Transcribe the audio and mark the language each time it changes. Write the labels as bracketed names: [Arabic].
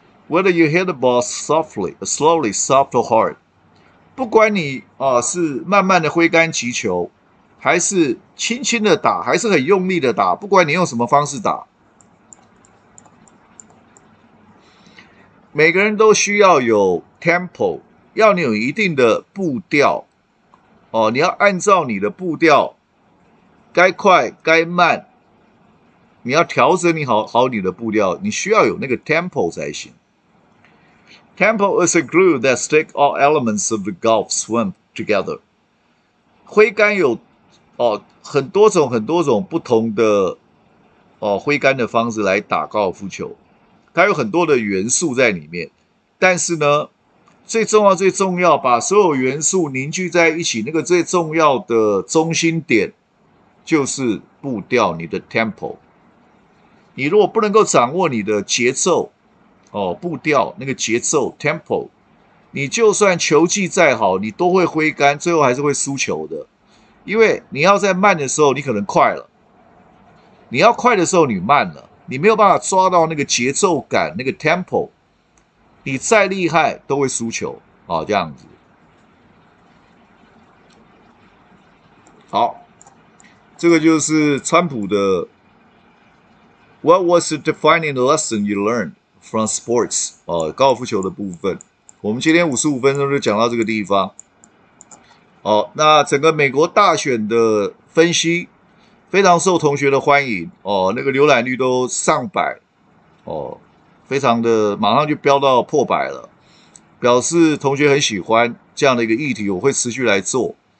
[English] Whether you hit the ball softly, slowly, soft or hard, [Chinese] 不管你是慢慢的挥杆击球，还是轻轻的打，还是很用力的打，不管你用什么方式打，每个人都需要有 tempo。要你有一定的步调，你要按照你的步调，该快该慢，你要调整你好你的步调，你需要有那个 tempo 才行。 [English] Tempo is a glue that sticks all elements of the golf swim together。 [Chinese] 挥杆有很多种很多种不同的挥杆的方式来打高尔夫球，它有很多的元素在里面，但是呢。最重要最重要把所有元素凝聚在一起，那个最重要的中心点就是步调，你的 tempo。你如果不能够掌握你的节奏，哦，步调那个节奏 tempo， 你就算球技再好，你都会挥杆，最后还是会输球的。因为你要在慢的时候，你可能快了；你要快的时候，你慢了。你没有办法抓到那个节奏感，那个 tempo， 你再厉害都会输球啊、哦，这样子。好，这个就是川普的。 [English] What was the defining lesson you learned from sports？ [Chinese] 哦，高尔夫球的部分，我们今天55分钟就讲到这个地方。哦，那整个美国大选的分析非常受同学的欢迎哦，那个浏览率都上百哦，非常的马上就飙到破百了，表示同学很喜欢这样的一个议题，我会持续来做。